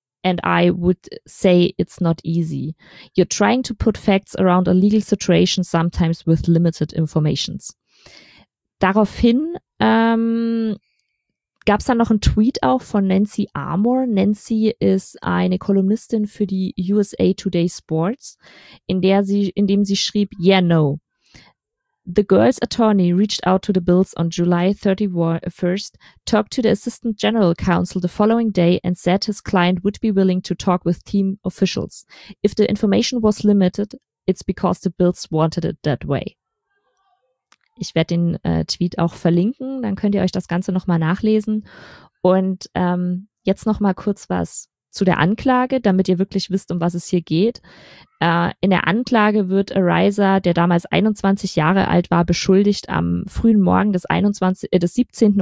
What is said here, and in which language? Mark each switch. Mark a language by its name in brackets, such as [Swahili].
[English] And I would say it's not easy. You're trying to put facts around a legal situation sometimes with limited informations. [German] Daraufhin gab es dann noch einen Tweet auch von Nancy Armour. Nancy ist eine Kolumnistin für die USA Today Sports, in dem sie schrieb, [English] yeah, no. The girl's attorney reached out to the Bills on July 31st, talked to the assistant general counsel the following day and said his client would be willing to talk with team officials. If the information was limited, it's because the Bills wanted it that way. [German] Ich werde den Tweet auch verlinken, dann könnt ihr euch das Ganze nochmal nachlesen. Und jetzt nochmal kurz was zu der Anklage, damit ihr wirklich wisst, um was es hier geht. In der Anklage wird Ariza, der damals 21 Jahre alt war, beschuldigt, am frühen Morgen des 17.